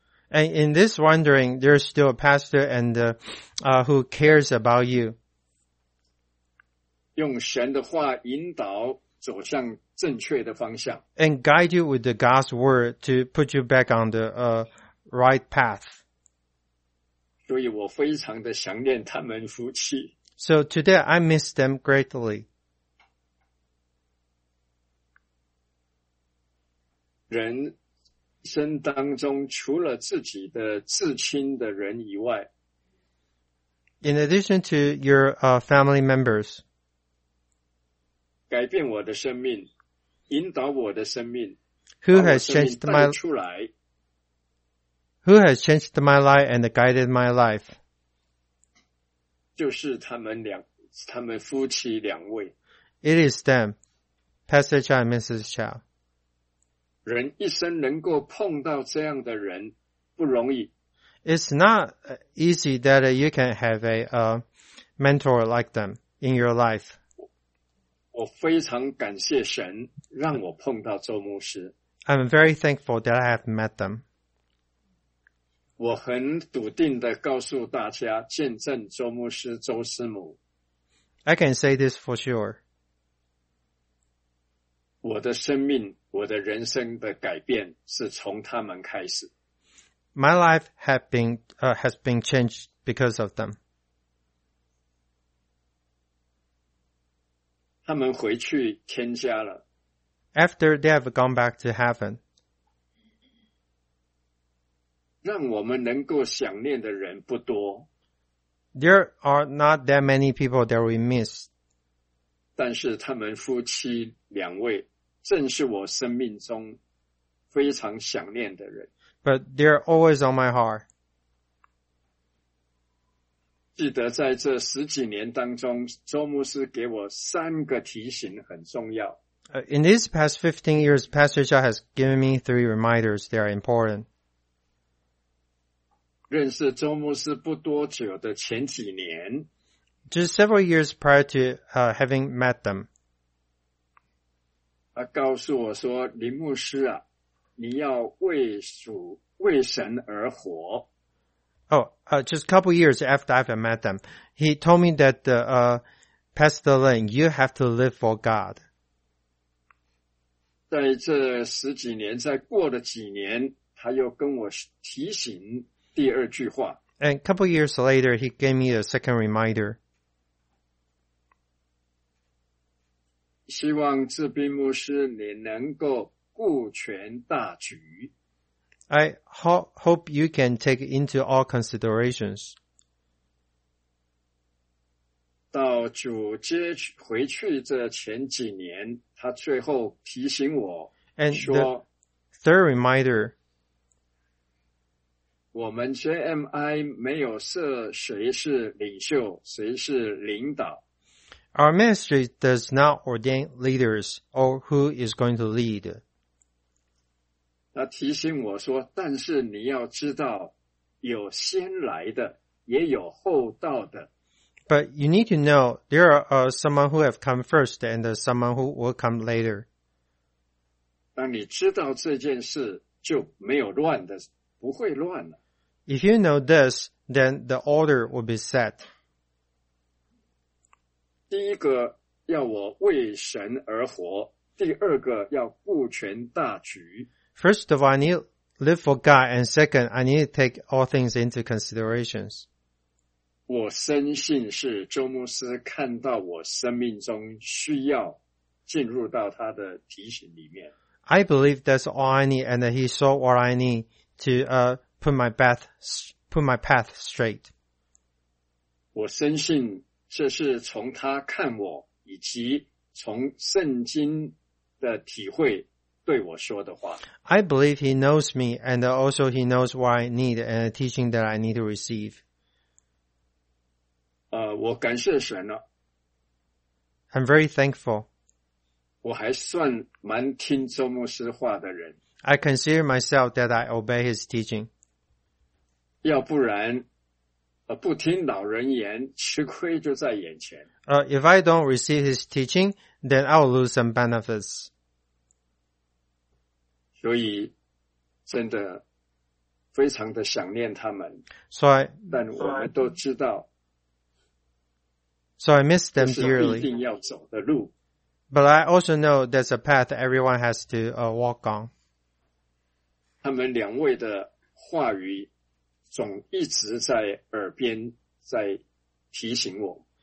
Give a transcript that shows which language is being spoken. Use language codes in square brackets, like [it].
[en] And in this wandering, there's still a pastor and who cares about you. [zh] 用神的话引导走向正确的方向。 [en] And guide you with the God's word to put you back on the right path. [zh] 所以我非常的想念他们夫妻。 [en] So today I miss them greatly. [zh] 人生当中除了自己的至亲的人以外， [en] In addition to your family members, [zh] 改变我的生命，引导我的生命， [en] Who has changed my life? Who has changed my life and guided my life? [zh] 就是他们夫妻两位。 [en] It is them, Pastor Chow and Mrs. Chow. [zh] 人一生能够碰到这样的人不容易。 [en] It's not easy that you can have a mentor like them in your life. [zh] 我非常感谢神让我碰到周牧师。 [en] I'm very thankful that I have met them. [zh] 我很笃定地告诉大家见证周牧师周师母。 [en] I can say this for sure. [zh] 我的生命我的人生的改变是从他们开始。 [en] My life has been changed because of them. [zh] 他们回去天家了。 [en] After they have gone back to heaven. [zh] 让我们能够想念的人不多。 [en] There are not that many people that we miss. [zh] 但是他们夫妻两位正是我生命中非常想念的人。 [en] But they're always on my heart. [zh] 记得在这十几年当中，周牧师给我三个提醒很重要。 [en] In these past 15 years, Pastor Chow has given me three reminders that are important. [zh] 认识周牧师不多久的前几年， [en] just several years prior to having met them. [zh] 他告诉我说，林牧师啊，你要为神而活。 [en] Just a couple years after I've met them, he told me that, Pastor Lin, you have to live for God. [zh] 在这十几年，再过了几年，他又跟我提醒第二句话。 [en] And a couple years later, he gave me a second reminder. [zh] 希望志斌牧师你能够顾全大局。 [en] I hope you can take into all considerations. [zh] 到主接回去这前几年，他最后提醒我说 [en] ，And the third reminder, [zh] 我们 JMI 没有设谁是领袖，谁是领导。 [en] Our ministry does not ordain leaders or who is going to lead. [zh] 他提醒我说，但是你要知道，有先来的，也有后到的。 [en] But you need to know, there are someone who have come first and someone who will come later. [zh] 当你知道这件事，就没有乱的，不会乱了。 [en] If you know this, then the order will be set. [zh] 第一个要我为神而活，第二个要顾全大局。 [en] First of all, I need to live for God, and second, I need to take all things into considerations. [zh] 我深信是周牧师看到我生命中需要进入到他的提醒里面。 [en] I believe that's all I need, and he saw what I need to put my path straight. [zh] 我深信这是从他看我以及从圣经的体会对我说的话。 [en] I believe he knows me and also he knows what I need and the teaching that I need to receive. [zh] 我感谢神了。 [en] I'm very thankful. [zh] 我还算蛮听周牧师话的人。 [en] I consider myself that I obey his teaching. [zh] 要不然不听老人言，吃亏就在眼前。 [en] If I don't receive his teaching, then I'll lose some benefits. [zh] 所以真的非常的想念他们。但我们都知道。 [en] So I miss them dearly. [zh] 是必定要走的路。 [en] But I also know there's a path everyone has to walk on. [zh] 他们两位的话语总一直在耳边在提醒我。